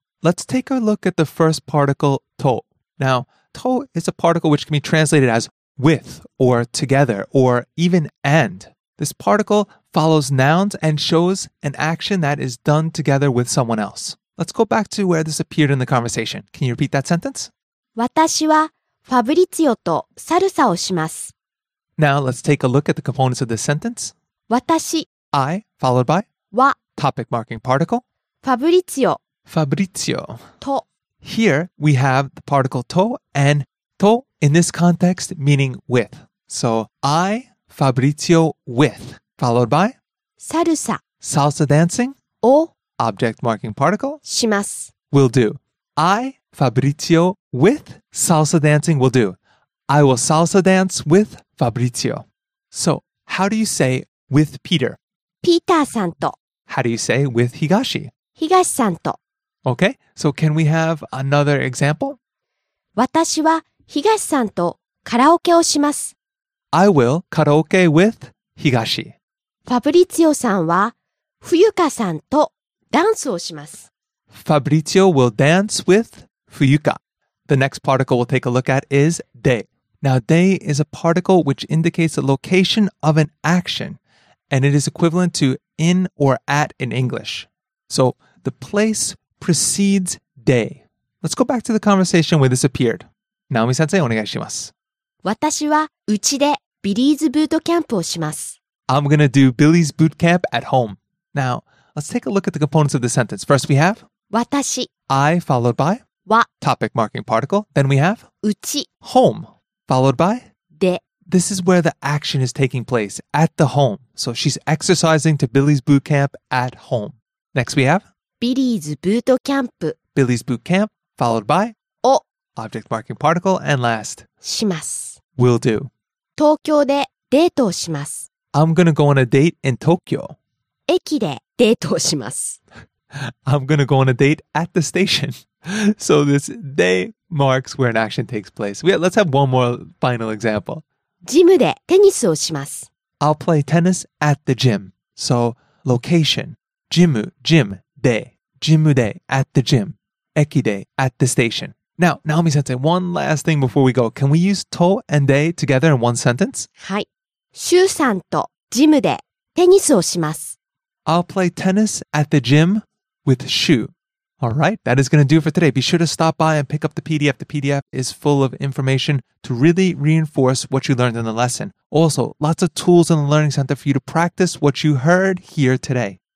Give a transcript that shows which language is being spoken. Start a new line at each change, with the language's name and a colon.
English: Let's take a look at the first particle, と. Now, と is a particle which can be translated as with, or together, or even and. This particle follows nouns and shows an action that is done together with someone else. Let's go back to where this appeared in the conversation. Can you repeat that sentence?
Japanese: 私はファブリツィオとサルサをします。
English: Now, let's take a look at the components of this sentence.
Japanese: 私
English: I, followed by
Japanese: は
English: topic marking particle.
Japanese: ファブリツィオ。と。
English: Here, we have the particle と and と in this context, meaning with. So, I, Fabrizio, with, followed by
Japanese: サルサ.
English: Salsa dancing.
Japanese: を
English: object marking particle.
Japanese: します.
English: Will do. I, Fabrizio, with salsa dancing will do. I will salsa dance with Fabrizio. So, how do you say with Peter?
Japanese: ピーターさんと.
English: How do you say with Higashi?
Japanese: ヒガシさんと.
English: Okay, so can we have another example?
Japanese: 私は東さんとカラオケをします。
English: I will karaoke with 東。
Japanese: ファブリツィオさんは冬香さんとダンスをします。
English: ファブリツィオ will dance with 冬香。 The next particle we'll take a look at is で。 Now, で is a particle which indicates the location of an action, and it is equivalent to in or at in English. So, the place precedes で。Let's go back to the conversation where this appeared. Naomi sensei,
Japanese: お願いします。私はうちでビリーズブートキャンプをします。
English: I'm gonna do Billy's boot camp at home. Now, let's take a look at the components of the sentence. First, we have
Japanese: 私
English: I followed by
Japanese: は
English: topic marking particle. Then we have
Japanese: うち
English: home followed by
Japanese: で.
English: This is where the action is taking place, at the home. So she's exercising to Billy's boot camp at home. Next, we have
Japanese: ビリーズブートキャンプ。
English: Billy's boot camp, followed by
Japanese: お
English: object marking particle, and last
Japanese: します
English: will do.
Japanese: 東京でデートをします。
English: I'm gonna go on a date in Tokyo.
Japanese: 駅でデートをします。
English: I'm gonna go on a date at the station. So this day marks where an action takes place. Yeah, let's have one more final example.
Japanese: ジムでテニスをします。
English: I'll play tennis at the gym. So location, gym, gym, day.
Japanese: Jimu de,
English: at the gym.
Japanese: Eki de,
English: at the station. Now, Naomi-sensei, one last thing before we go. Can we use to and de together in one sentence?
Japanese: はい。シューさんとジムでテニスをします。
English: I'll play tennis at the gym with Shu. All right, that is going to do it for today. Be sure to stop by and pick up the PDF. The PDF is full of information to really reinforce what you learned in the lesson. Also, lots of tools in the Learning Center for you to practice what you heard here today.